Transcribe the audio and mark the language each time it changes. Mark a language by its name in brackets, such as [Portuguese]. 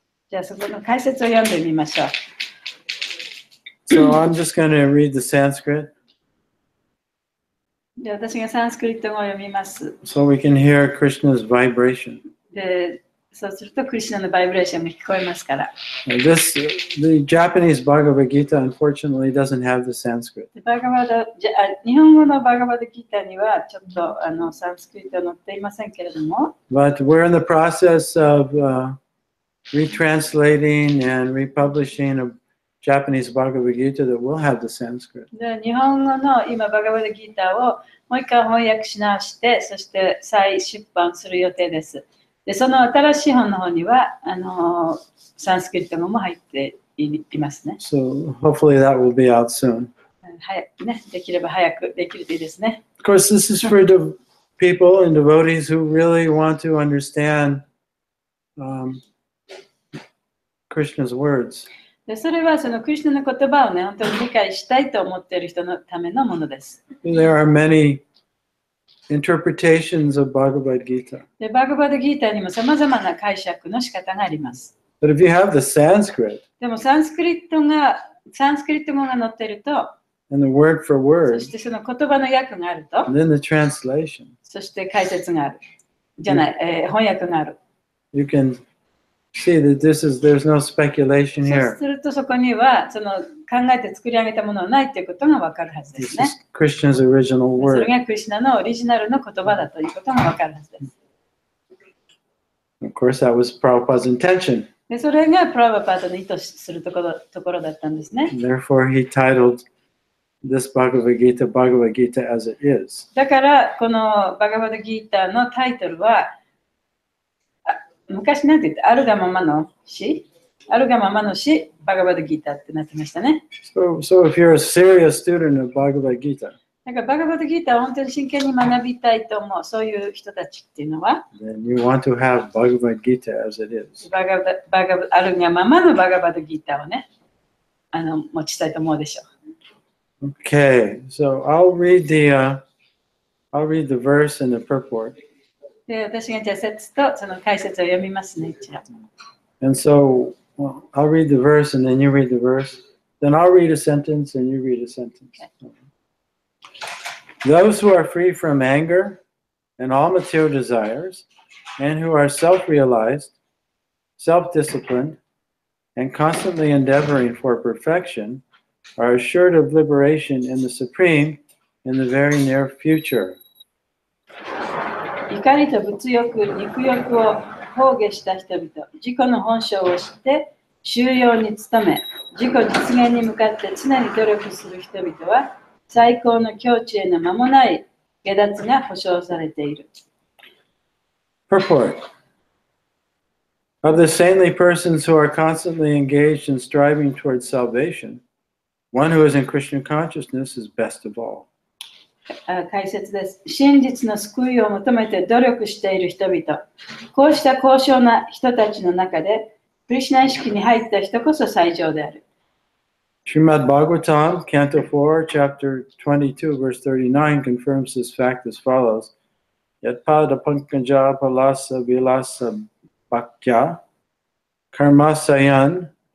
[Japanese] じゃあそこの解説を読んでみましょう。 [English] So I'm just going to read the Sanskrit. [Japanese] じゃあ私がサンスクリット語を読みます。 [English] So we can hear Krishna's vibration. [Japanese] で、そうするとクリシナのバイブレーションも聞こえますから。 [English] This, the Japanese Bhagavad Gita unfortunately doesn't have the Sanskrit. [Japanese] バガバダ、日本語のバガバダギータにはちょっとサンスクリット載っていませんけれども。 [English] But we're in the process of retranslating and republishing a Japanese Bhagavad Gita that will have the Sanskrit. [Japanese] で、日本語の今バガバダギータをもう一回翻訳し直して、そして再出版する予定です。で、その新しい本の方にはサンスクリット語も入っていますね。 [English] So hopefully that will be out soon. [Japanese] はい、ね、できれば早くできるといいですね。 [English] Of course, this is for the people and devotees who really want to understand. Krishna's words. [Japanese] で、それはそのクリシュナの言葉をね、本当に理解したいと思っている人のためのものです。 [English] There are many interpretations of Bhagavad Gita. [Japanese] で、バガヴァッド・ギータにもさまざまな解釈の仕方があります。 [English] But if you have the Sanskrit, [Japanese] でもサンスクリット語が載っていると、 [English] and the word for word, [Japanese] そしてその言葉の訳があると、 [English] and then the translation, [Japanese] そして解説がある、じゃない、翻訳がある。 [English] You can see that this is, there's no speculation here. [Japanese] そうするとそこにはその考えて作り上げたものはないということがわかるはずですね。 [English] This is Krishna's original word. [Japanese] それがクリシュナのオリジナルの言葉だということがわかるはずです。 [English] Of course, that was Prabhupada's intention. [Japanese] で、それがプラヴァパーダの意図するところだったんですね。 [English] Therefore, he titled this Bhagavad Gita, Bhagavad Gita as it is. [Japanese] だからこのバガヴァッド・ギータのタイトルは昔なんて言ってあるがままの詩、バガヴァッド・ギータってなってましたね。 [English] So if you're a serious student of Bhagavad Gita, [Japanese] なんかバガヴァッド・ギータを本当に真剣に学びたいと思う、そういう人たちっていうのは、 [English] then you want to have Bhagavad Gita as it is. [Japanese] あるがままのバガヴァッド・ギータをね、持ちたいと思うでしょう。 [English] Okay, so I'll read the verse and the purport. [Japanese] で、私がじゃあ説とその解説を読みますね、一応。 [English] And so, well, I'll read the verse and then you read the verse. Then I'll read a sentence and you read a sentence. Okay. Those who are free from anger and all material desires and who are self-realized, self-disciplined, and constantly endeavoring for perfection are assured of liberation in the Supreme in the very near future. [Japanese] 怒りと物欲、肉欲を放棄した人々、自己の本性を知って、収容に努め、自己実現に向かって常に努力する人々は、最高の境地への間もない解脱が保証されている。 [English] Purport. Of the saintly persons who are constantly engaged in striving towards salvation, one who is in Krishna consciousness is best of all. [Japanese] 解説です。真実の救いを求めて努力している人々、こうした高尚な人たちの中で、クリシナ意識に入った人こそ最上である。 [English] Srimad Bhagavatam, Canto 4, Chapter 22, Verse 39 confirms this fact as follows: [Sanskrit] Yatpada Pankaja Palasa Vilasa Bhakya Karmasayan